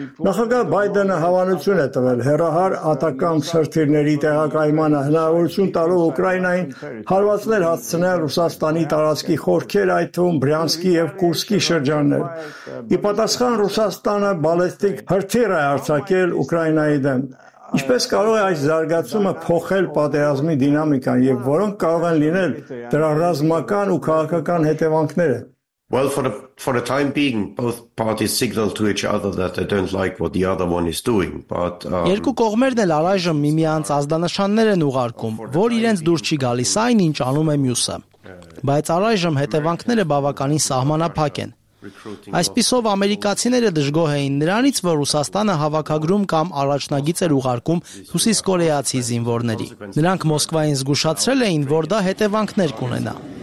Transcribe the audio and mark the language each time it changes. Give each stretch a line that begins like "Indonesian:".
Armenian: Նախագահ Բայդենը հավանություն է տվել հեռահար ատական սրտիրների տեղակայմանը, հնարավորություն տալով Ուկրաինային հարվածներ հասցնել Ռուսաստանի տարածքի խորքեր, այդ թվում Բրյանսկի և Կուրսկի շրջաններ։ Ի պատասխան Ռուսաստանը բալիստիկ հրթիռ է արձակել Ուկրաինայի դեմ։ Ինչպես կարող է այս զարգացումը փոխել պատերազմի դինամիկան և որոնք կարող են լինել դրա ռազմական ու քաղաքական հետևանքները։
English: Well, for the time being, both parties signal to each other that they don't like what the other one is doing, but
Armenian: երկու կողմերն էլ առայժմ միմյանց ազդանշաններ են ուղարկում, որ իրենց դուր չի գալիս այն, ինչ անում է մյուսը։ Բայց առայժմ հետևանքները բավականին սահմանափակ են։ Այսպիսով ամերիկացիները դժգոհ էին նրանից, որ Ռուսաստանը հավաքագրում կամ առաջնագիծ էր ուղարկում Հուսիս կորեացի զինվորների։ Նրանք Մոսկվային զգուշացրել էին, որ դա հետևանքներ կունենա։